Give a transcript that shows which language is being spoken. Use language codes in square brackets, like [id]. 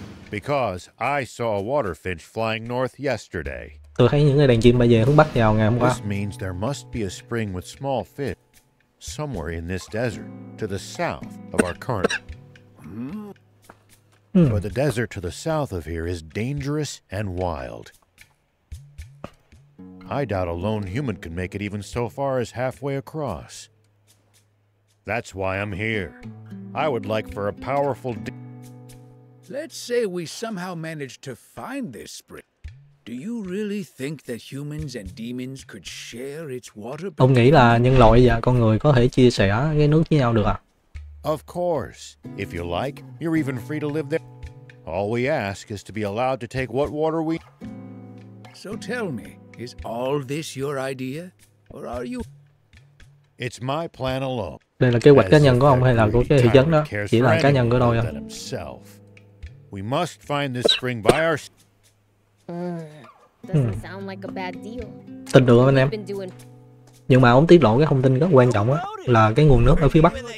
[en] Because I saw a water finch flying north yesterday. [vi] Tôi thấy những cái đàn chim bay về hướng bắc vào ngày hôm qua. [en] This means there must be a spring with small fish somewhere in this desert to the south of our current. But the desert to the south of here is dangerous and wild. I doubt a lone human can make it even so far as halfway across. That's why I'm here. I would like for a powerful. Let's say we somehow managed to find this spring. Do you really think that humans and demons could share its water? [vi] Ông nghĩ là nhân loại và con người có thể chia sẻ cái nước với nhau được à? [en] Of course. If you like, you're even free to live there. All we ask is to be allowed to take what water we. So tell me, is all this your idea, or are you? It's my plan alone. [vi] Đây là kế hoạch cá nhân của ông hay là của cái thị trấn đó? Chỉ là cá nhân của tôi à? [en] We must find this spring by our. Doesn't sound like a bad deal. [vi] Tin được không anh em? Nhưng mà ông tiết lộ cái thông tin rất quan trọng á, là cái nguồn nước ở phía bắc.